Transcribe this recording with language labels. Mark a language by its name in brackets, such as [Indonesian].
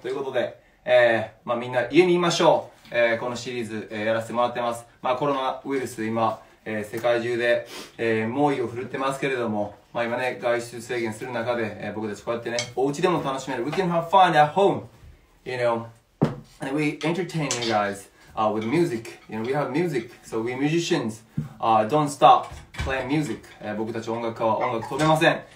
[Japanese] ということで、まあみんな家にいましょう。このシリーズ、やらせてもらってます。まあコロナウイルス今、世界中で、猛威を振るってますけれども、まあ今ね外出制限する中で、僕たちこうやってねお家でも楽しめる。 [English] We can have fun at home. You know. And we entertain you guys. With music, you know, we have music, so we musicians don't stop playing music. [Japanese] 僕たち音楽家は音楽止めません。